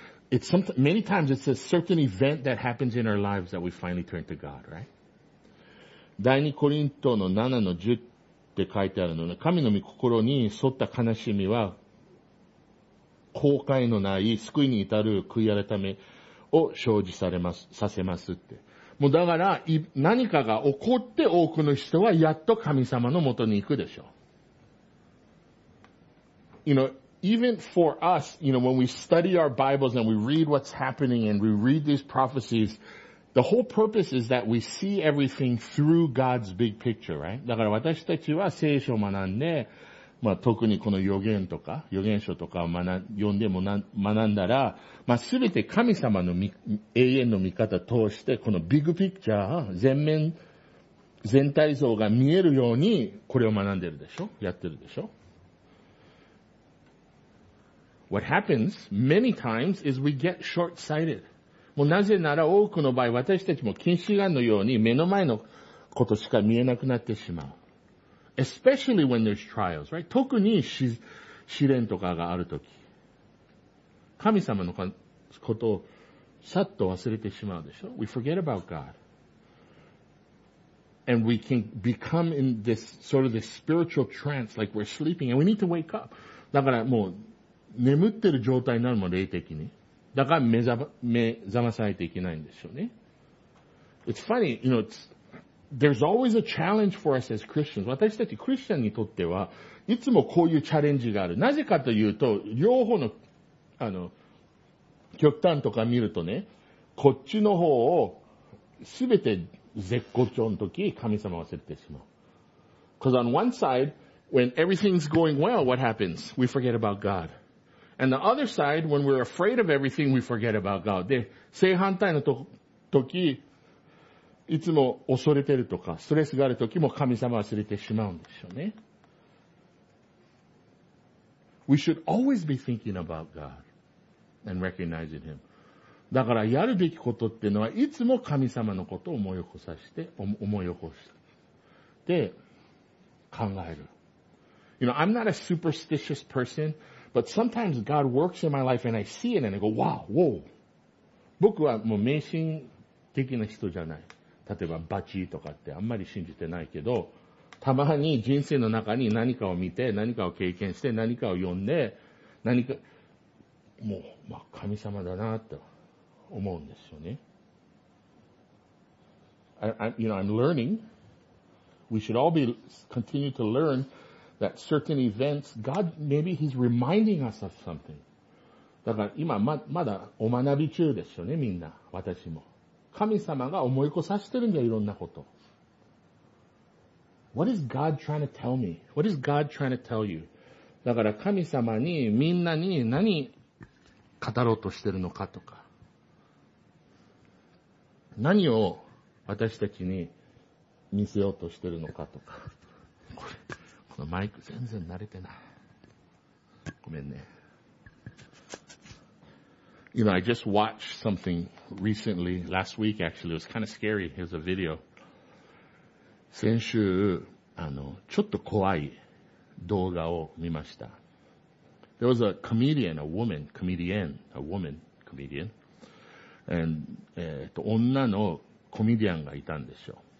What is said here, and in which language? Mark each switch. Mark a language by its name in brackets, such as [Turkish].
[English] It's many times it's a certain event that happens in our lives that we finally turn to God, right? [Japanese] 第2コリントの7の10って書いてあるのね。神の御心に沿った悲しみは、後悔のない救いに至る悔い改めを生じされます、させますって。もうだから、何かが起こって多くの人はやっと神様の元に行くでしょう。 [English] You know, even for us, you know, when we study our Bibles and we read what's happening and we read these prophecies, the whole purpose is that we see everything through God's big picture, right? [Japanese] だから私たちは聖書を学んで、まあ、特にこの予言とか、予言書とかを読んでも学んだら、まあ、すべて神様の永遠の見方を通して、このビッグピクチャー、全体像が見えるように、これを学んでるでしょ? やってるでしょ? [English] What happens many times is we get short-sighted. [Japanese] もうなぜなら多くの場合、私たちも近視眼のように目の前のことしか見えなくなってしまう。 [English] especially when there's trials, right? [Japanese] 特に試練とかがあるとき、神様のことをさっと忘れてしまうでしょ。 [English] We forget about God. And we can become in this sort of this spiritual trance, like we're sleeping, and we need to wake up. [Japanese] だからもう眠ってる状態になるも霊的に。だから目覚まさないといけないんですよね。 [English] It's funny, you know, there's always a challenge for us as Christians. [Japanese] 私たちクリスチャンにとっては、いつもこういうチャレンジがある。なぜかというと、両方の、極端とか見るとね、こっちの方を、すべて絶好調の時、神様忘れてしまう。 [English] Because on one side, when everything's going well, what happens? We forget about God. And the other side, when we're afraid of everything, we forget about God. [Japanese] で、正反対の時、いつも恐れてるとか、ストレスがある時も神様忘れてしまうんでしょうね。 [English] We should always be thinking about God and recognizing Him. [Japanese] だからやるべきことっていうのは、いつも神様のことを思い起こさせて、思い起こして、で、考える。 [English] You know, I'm not a superstitious person. But sometimes God works in my life and I see it and I go, wow, whoa. [Japanese] 僕はもう迷信的な人じゃない。例えばバチとかってあんまり信じてないけど、たまに人生の中に何かを見て、何かを経験して、何かを読んで、何か、もう、まあ神様だなと思うんですよね。 [English] I'm learning. We should all be, continue to learn. That certain events, God, maybe He's reminding us of something. [Japanese] だから今まだお学び中ですよね、みんな。私も。神様が思い起こさせてるんじゃ、いろんなこと。 [English] What is God trying to tell me? What is God trying to tell you? [Japanese] だから神様にみんなに何語ろうとしてるのかとか。何を私たちに見せようとしてるのかとか。このマイク全然慣れてない。ごめんね。 [English] You know, I just watched something recently, last week actually. It was kind of scary. Here's a video. [Japanese] 先週、ちょっと怖い動画を見ました。 [English] There was a comedian, a woman comedian. [Japanese] And, 女のコメディアンがいたんですよ。